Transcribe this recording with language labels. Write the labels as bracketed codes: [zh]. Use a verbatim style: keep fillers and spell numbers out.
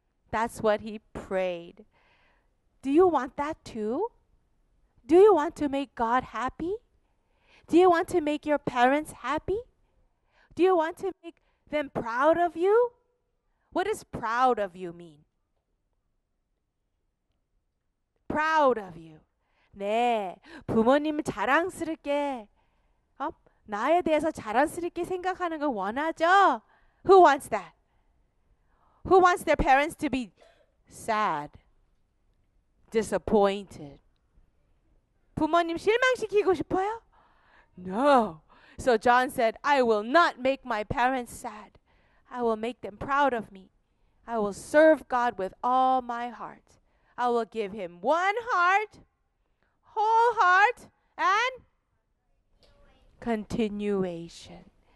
[en] That's what he prayed. Do you want that too? Do you want to make God happy? Do you want to make your parents happy? Do you want to make them proud of you? What does proud of you mean? Proud of you. [ko] 네, 부모님을 자랑스럽게, 어? 나에 대해서 자랑스럽게 생각하는 걸 원하죠? [en] Who wants that? Who wants their parents to be sad, disappointed? [ko] 부모님 실망시키고 싶어요? [en] No. So John said, I will not make my parents sad. I will make them proud of me. I will serve God with all my heart. I will give him one heart, whole heart, and continuation.